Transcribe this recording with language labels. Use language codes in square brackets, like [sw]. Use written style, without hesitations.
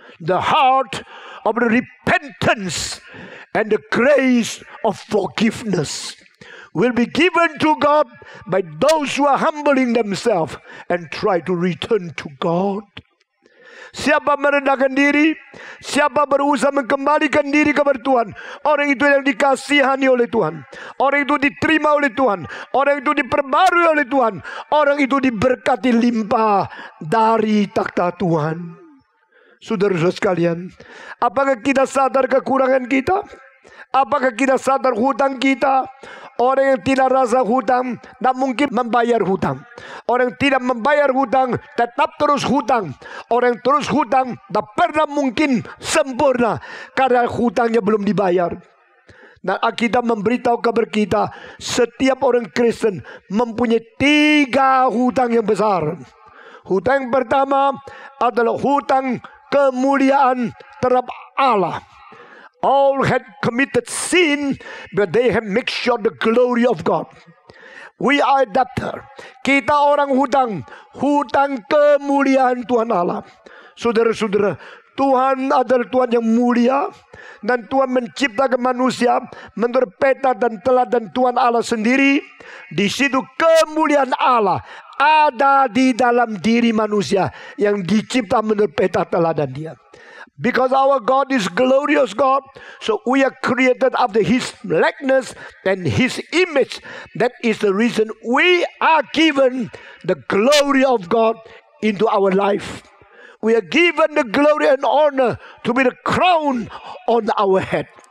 [en] The heart of the repentance and the grace of forgiveness will be given to God by those who are humbling themselves and try to return to God. [id] Siapa merendahkan diri, siapa berusaha mengembalikan diri kepada Tuhan, orang itu yang dikasihani oleh Tuhan, orang itu diterima oleh Tuhan, orang itu diperbarui oleh Tuhan, orang itu diberkati limpah dari takhta Tuhan. Saudara-saudara sekalian, apakah kita sadar kekurangan kita? Apakah kita sadar hutang kita? Orang yang tidak rasa hutang tak mungkin membayar hutang. Orang yang tidak membayar hutang tetap terus hutang. Orang yang terus hutang tak pernah mungkin sempurna karena hutangnya belum dibayar. Dan kita memberitahu kabar kita, setiap orang Kristen mempunyai 3 hutang yang besar. Hutang yang pertama adalah hutang kemuliaan terhadap Allah. [en] All had committed sin, but they have made sure the glory of God. We are debtor. [id] Kita orang hutang. Hutang kemuliaan Tuhan Allah. Saudara-saudara, Tuhan adalah Tuhan yang mulia. Dan Tuhan menciptakan manusia menurut peta dan teladan Tuhan Allah sendiri. Di situ kemuliaan Allah ada di dalam diri manusia yang dicipta menurut peta teladan dia. [en] Because our God is glorious God, so we are created after His likeness and His image. That is the reason we are given the glory of God into our life. We are given the glory and honor to be the crown on our head.